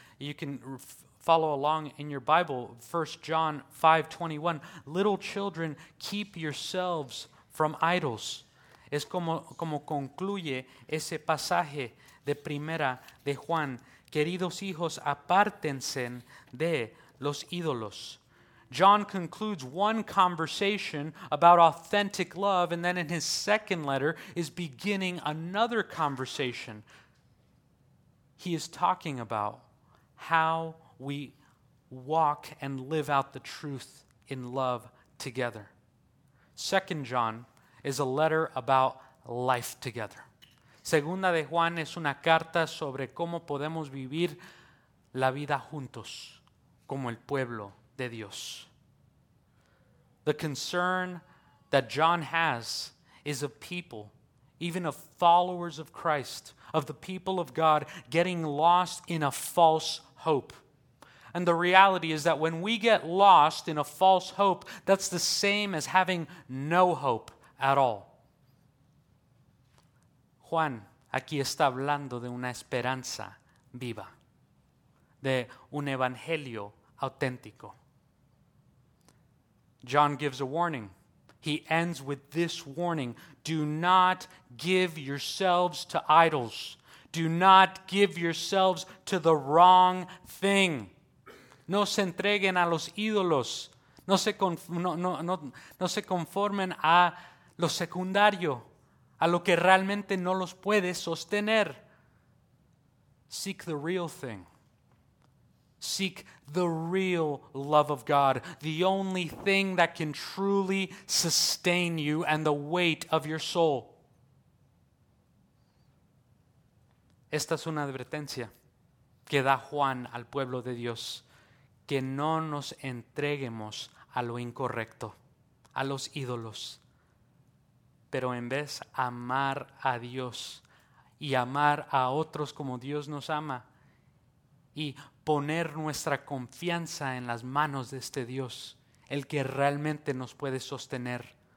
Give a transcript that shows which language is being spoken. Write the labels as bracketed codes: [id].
[en] You can follow along in your Bible, 1 John 5:21. Little children, keep yourselves from idols. [es] Es como concluye ese pasaje de Primera de Juan. Queridos hijos, apártense de los ídolos. [en] John concludes one conversation about authentic love, and then in his second letter is beginning another conversation. He is talking about how we walk and live out the truth in love together. 2 John is a letter about life together. [es] Segunda de Juan es una carta sobre cómo podemos vivir la vida juntos como el pueblo de Dios. [en] The concern that John has is of people, even of followers of Christ, of the people of God, getting lost in a false hope. And the reality is that when we get lost in a false hope, that's the same as having no hope at all. [es] Juan aquí está hablando de una esperanza viva, de un evangelio auténtico. [en] John gives a warning. He ends with this warning. Do not give yourselves to idols. Do not give yourselves to the wrong thing. [es] No se entreguen a los ídolos. No se conformen a lo secundario, a lo que realmente no los puede sostener. [en] Seek the real thing. Seek the real love of God, the only thing that can truly sustain you and the weight of your soul. [es] Esta es una advertencia. que da Juan al pueblo de Dios, que no nos entreguemos a lo incorrecto, a los ídolos, pero en vez amar a Dios y amar a otros como Dios nos ama y poner nuestra confianza en las manos de este Dios, el que realmente nos puede sostener.